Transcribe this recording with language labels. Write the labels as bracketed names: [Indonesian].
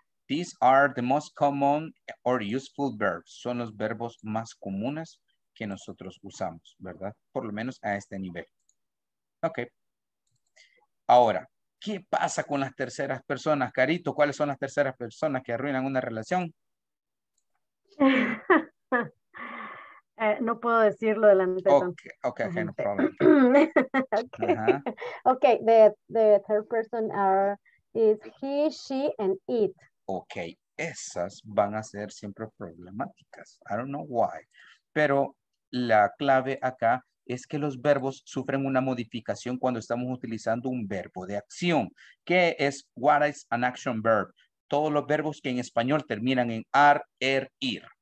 [English] These are the most common or useful verbs. [Spanish] Son los verbos más comunes que nosotros usamos, ¿verdad? Por lo menos a este nivel. Ok. Ahora, ¿qué pasa con las terceras personas? Carito, ¿cuáles son las terceras personas que arruinan una relación? no puedo decirlo delante. [English] Okay, no problem. Okay, the third person is he, she, and it. [Spanish] Ok, esas van a ser siempre problemáticas. [English] I don't know why. [Spanish] Pero la clave acá es que los verbos sufren una modificación cuando estamos utilizando un verbo de acción. ¿Qué es [English] what is an action verb? [Spanish] Todos los verbos que en español terminan en ar, er, ir.